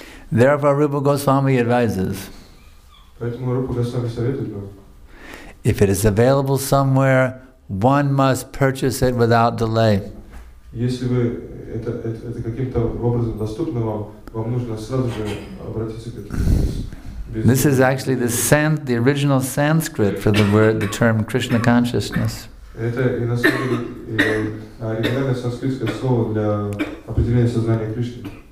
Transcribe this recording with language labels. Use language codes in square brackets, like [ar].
[en] Therefore, Rupa Goswami advises. [ru] Поэтому Рупа Госвами советует вам. [en] If it is available somewhere, one must purchase it without delay. [ru] Если вы это каким-то образом доступно вам, вам нужно сразу же обратиться к этому. [en] This is actually the original Sanskrit for the term Krishna consciousness. [ru] Это и на самом деле оригинальное санскритское слово для определения сознания Кришны.